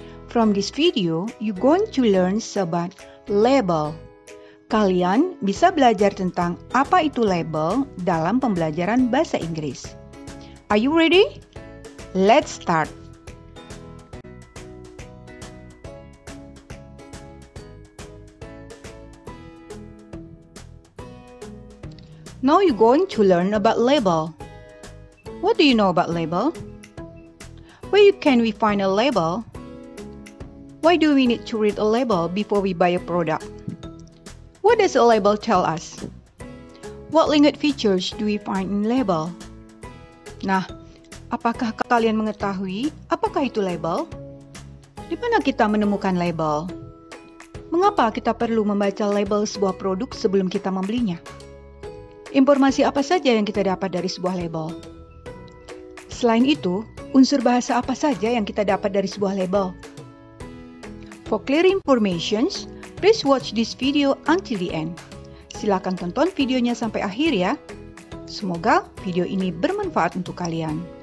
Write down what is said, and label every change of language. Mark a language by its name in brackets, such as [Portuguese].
[English] From this video, you're going to learn about label. [Indonesian] Kalian bisa belajar tentang apa itu label dalam pembelajaran bahasa Inggris. [English] Are you ready? Let's start. Now you're going to learn about label. What do you know about label? Where can we find a label? Why do we need to read a label before we buy a product? What does a label tell us? What language features do we find in label? [Indonesian] Nah, apakah kalian mengetahui apakah itu label? Di mana kita menemukan label? Mengapa kita perlu membaca label sebuah produk sebelum kita membelinya? Informasi apa saja yang kita dapat dari sebuah label? Selain itu, unsur bahasa apa saja yang kita dapat dari sebuah label? [English] For clear information, please watch this video until the end. [Indonesian] Silakan tonton videonya sampai akhir ya. Semoga video ini bermanfaat untuk kalian.